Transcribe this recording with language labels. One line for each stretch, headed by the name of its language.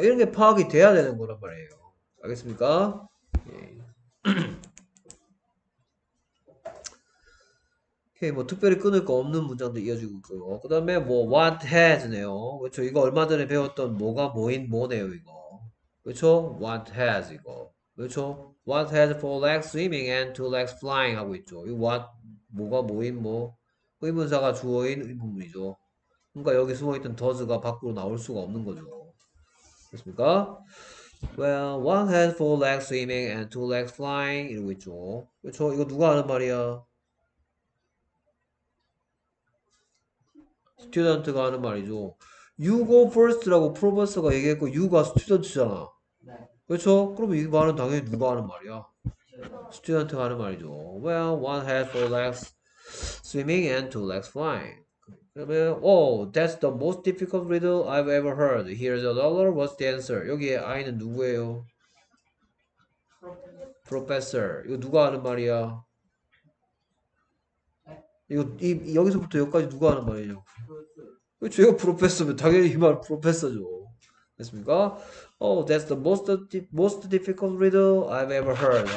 Korean: 이런 게 파악이 돼야 되는 거란 말이에요. 알겠습니까? 예. 오케이, 뭐 특별히 끊을 거 없는 문장도 이어지고 있고요. 그 다음에 뭐 what has네요. 그렇죠? 이거 얼마 전에 배웠던 뭐가 뭐인 뭐네요, 이거. 그렇죠? what has 이거. 그렇죠?
English: what has four legs swimming and two legs flying
Korean: 하고 있죠. 이 what 뭐가 뭐인 뭐. 의문사가 주어인 의문문이죠. 그러니까 여기 숨어있던 does가 밖으로 나올 수가 없는 거죠. 그렇습니까?
English: Well, one has four legs swimming and two legs flying
Korean: 이러고 있죠. 그렇죠? 이거 누가 하는 말이야? 스튜던트가 하는 말이죠.
English: You go first
Korean: 라고 프로페서가 얘기했고 you가 스튜던트잖아. 그렇죠? 그러면 이 말은 당연히 누가 하는 말이야? 스튜던트가 하는 말이죠.
English: Well, one has four legs swimming and two legs flying.
Korean: 그러면
English: oh, that's the most difficult riddle I've ever heard. Here's a dollar. What's the answer?
Korean: 여기에 I는 누구예요? Professor. 이거 누가 하는 말이야? 여기서부터 여기까지 누가 하는 말이냐고. 그렇죠. 이거 프로페서면 당연히 이말 프로페서죠. 됐습니까?
English: Oh, that's the most difficult riddle I've ever heard.